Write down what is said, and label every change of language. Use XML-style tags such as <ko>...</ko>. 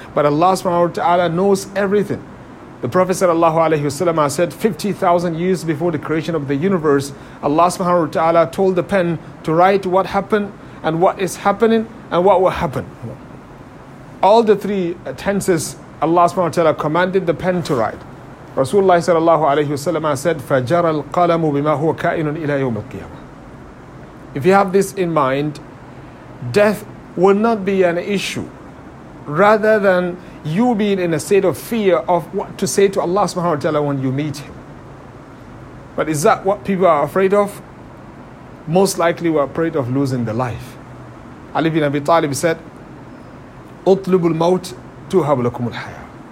<en>But Allah subhanahu wa ta'ala knows everything. The Prophet sallallahu alaihi wasallam said 50,000 years before the creation of the universe, Allah subhanahu wa ta'ala told the pen to write what happened and what is happening and what will happen. All the three tenses Allah subhanahu wa ta'ala commanded the pen to write.</en> <ar>Rasulullah sallallahu alaihi wasallam said, فَجَرَ الْقَلَمُ بِمَا هُوَ كَائِنٌ إِلَى يَوْمِ الْقِيَامَةِ.</ar> <en>If you have this in mind, death will not be an issue. Rather than you being in a state of fear of what to say to Allah subhanahu wa ta'ala when you meet Him. But is that what people are afraid of? most likely were afraid of losing the life. Ali ibn Abi Talib said,</en> <ar>"Utlubu al-maut tuhab lakum al-haya."</ar>